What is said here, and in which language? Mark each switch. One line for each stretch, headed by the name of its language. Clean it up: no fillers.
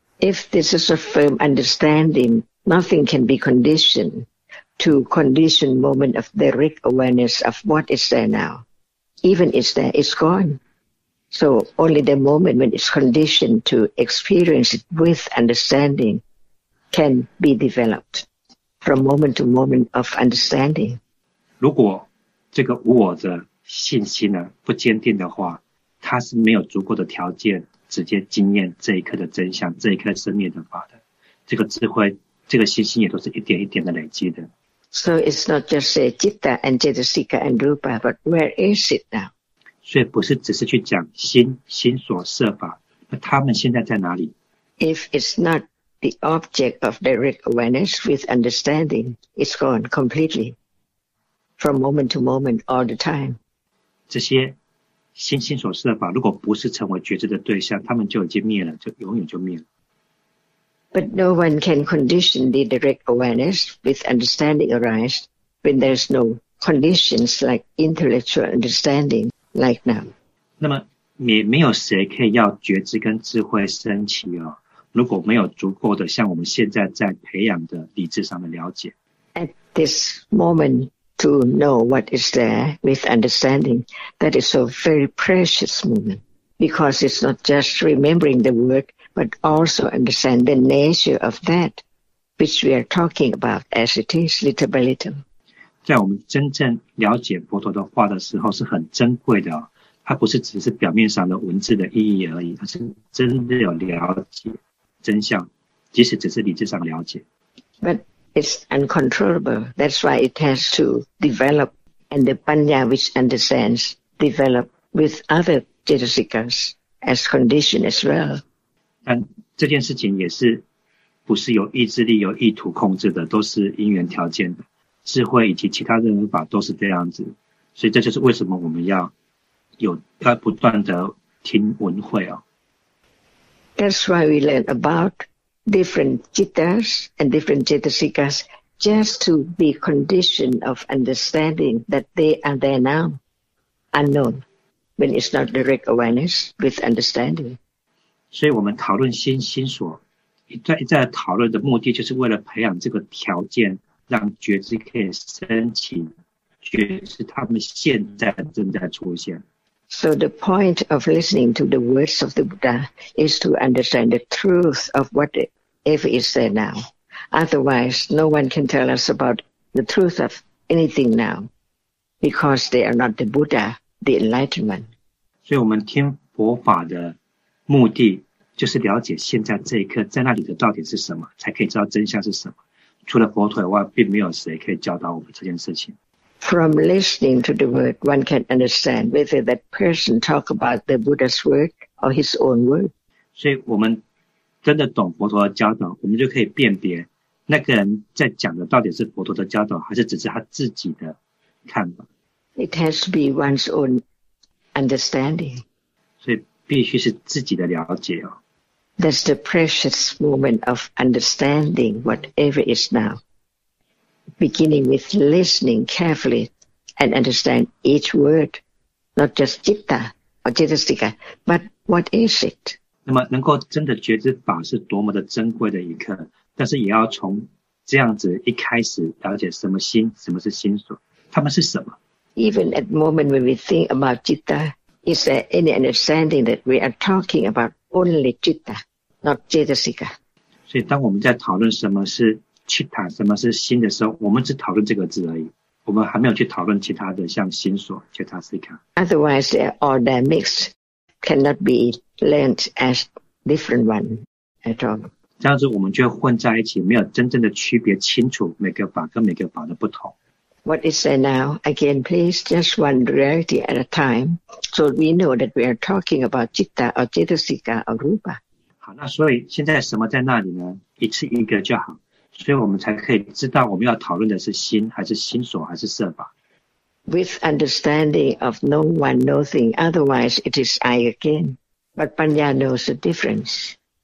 English: If this is a firm understanding, nothing can be conditioned to condition moment of direct awareness of what is there now. Even is there, it's gone. So only the moment when it's conditioned to experience it with understanding can be developed from moment to moment of understanding.
Chinese: 如果这个无我的信心呢不坚定的话，它是没有足够的条件直接经验这一刻的真相，这一刻生灭的法的。这个智慧，这个信心也都是一点一点的累积的。
English: So it's not just say citta and jetasika and rupa, but where is it now?
Chinese: 所以不是只是去讲心心所设法，那他们现在在哪里？
English: If it's not the object of direct awareness with understanding, it's gone completely from moment to moment all the time.
Chinese: 这些心心所设法，如果不是成为觉知的对象，他们就已经灭了，就永远就灭了。
English: But no one can condition the direct awareness with understanding arise when there's no conditions like intellectual understanding. Like now.
Chinese: 那么也没有谁可以要觉知跟智慧升起哦，如果没有足够的像我们现在在培养的理智上的了解。
English: At this moment to know what is there with understanding, that is a very precious moment because it's not just remembering the word, but also understand the nature of that which we are talking about as it is, little by little.
Chinese: 在我们真正了解佛陀的话的时候是很珍贵的，它不是只是表面上的文字的意义而已，而是真的有了解真相，即使只是理智上了解。
English: But it's uncontrollable. That's why it has to develop, and the panya which understands develop with other jitasikas as condition as well.
Chinese: 但这件事情也是不是有意志力、有意图控制的，都是因缘条件的。智慧以及其他任何法都是这样子，所以这就是为什么我们要有要不断的听闻慧哦。
English: That's why we learn about different jitas and different jitasikas just to be condition of understanding that they are there now, unknown, when it's not direct awareness with understanding.
Chinese: 所以我们讨论心所，一再讨论的目的就是为了培养这个条件。让觉知可以升起，觉知他们现在正在出现。
English: So the point of listening to the words of the Buddha is to understand the truth of whatever is there now. Otherwise, no one can tell us about the truth of anything now, because they are not the Buddha, the Enlightenment.
Chinese: 所以我们听佛法的目的就是了解现在这一刻在那里的到底是什么，才可以知道真相是什么。除了佛陀以外，并没有谁可以教导我们这件事情。
English: From listening to the word, one can understand whether that person talk about the Buddha's word or his own word.
Chinese: 所以我们真的懂佛陀的教导，我们就可以辨别那个人在讲的到底是佛陀的教导，还是只是他自己的看法。
English: It has to be one's own understanding.
Chinese: 所以必须是自己的了解哦。
English: That's the precious moment of understanding whatever is now, beginning with listening carefully and understand each word, not just citta or citta, but what is it?
Chinese: 那么能够真的觉知法是多么的珍贵的一刻，但是也要从这样子一开始了解什么心，什么是心所，他们是什么。
English: Even at the moment when we think about citta, is there any understanding that we are talking about only citta? Not jitasika.
Chinese: 所以当我们在讨论什么是 citta, 什么是心的时候，我们只讨论这个字而已，我们还没有去讨论其他的，像心所 jitasika.
English: Otherwise, they are all that mixed cannot be learned as different one at all.
Chinese: 这样子我们就混在一起，没有真正的区别清楚每个法跟每个法的不同。
English: What is there now? Again, please, just one reality at a time, so we know that we are talking about citta or jitasika or rupa.
Chinese: 那所以现在什么在那里呢？一次一个就好，所以我们才可以知道我们要讨论的是心还是心所还是色法。
English: With understanding of no one nothing, otherwise it is I again. But Panya knows the difference.